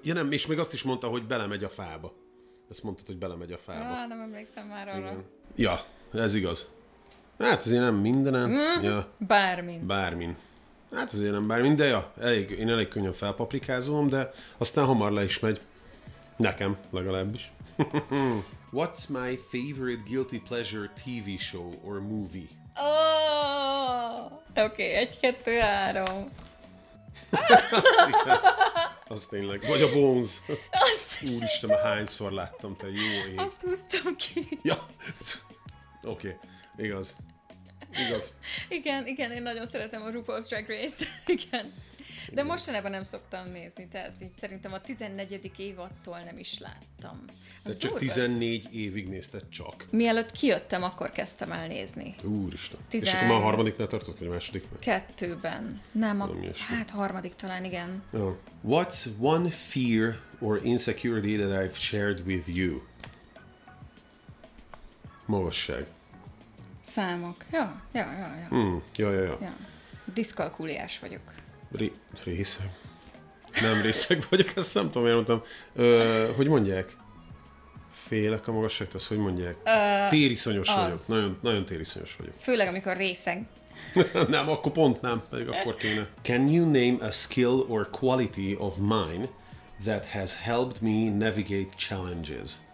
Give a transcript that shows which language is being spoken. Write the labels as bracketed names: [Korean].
[Hungarian] Ja nem, és még azt is mondta, hogy belemegy a fába. Ezt mondtad, hogy belemegy a fába. Ah, nem emlékszem már arra. Igen. Ja, ez igaz. Hát azért nem mindenem. Ja. Bármin. Hát azért nem bármin, de ja, én elég könnyen felpaprikázom, de aztán hamar le is megy. Nekem legalábbis. [English] What's my favorite guilty pleasure TV show or movie? [Hungarian] Oh, oké, egy, kettő, három. Az tényleg. Vagy a Bones. Úristen, már hányszor láttam, te jó ég. Azt húztam ki. Ja. Oké. Igaz. Igen, én nagyon szeretem a RuPaul's Drag Race-t. Igen. De mostanában nem szoktam nézni, tehát így szerintem a 14. évattól nem is láttam. Az de csak durva. 14 évig nézted csak. Mielőtt kijöttem, akkor kezdtem el nézni. Úristen. És akkor már a harmadiknál tartott, vagy a másodiknál? Kettőben. Nem, a harmadik talán, igen. Oh. [English] What's one fear or insecurity that I've shared with you? [Hungarian] Magasság. Számok. Ja. Diszkalkuliás vagyok. Részeg? Nem részeg vagyok, ezt nem tudom, miért mondtam. Hogy mondják? Félek a magasságtól, azt hogy mondják? Tériszonyos az. Vagyok. Nagyon, nagyon tériszonyos vagyok. Főleg, amikor részeg. Nem, akkor pont nem, pedig akkor kéne. [English] Can you name a skill or quality of mine that has helped me navigate challenges?